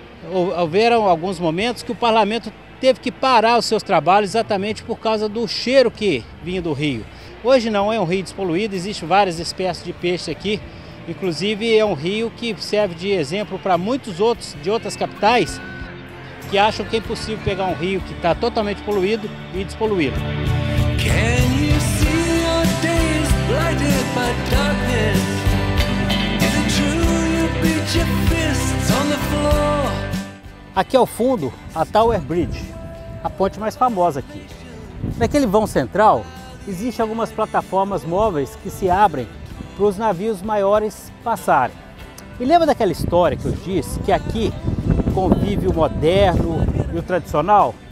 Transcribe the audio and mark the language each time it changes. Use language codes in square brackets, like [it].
[pt] Houveram alguns momentos que o parlamento teve que parar os seus trabalhos exatamente por causa do cheiro que vinha do rio. Hoje não é um rio despoluído, existem várias espécies de peixe aqui. Inclusive é um rio que serve de exemplo para muitos outros de outras capitais que acham que é impossível pegar um rio que está totalmente poluído e despoluído. [en] Can you see our days blinded by darkness? Is it true you beat your fists on the floor? [pt] Aqui ao fundo, a Tower Bridge, a ponte mais famosa aqui. Naquele vão central, existem algumas plataformas móveis que se abrem para os navios maiores passarem. E lembra daquela história que eu disse que aqui convive o moderno e o tradicional?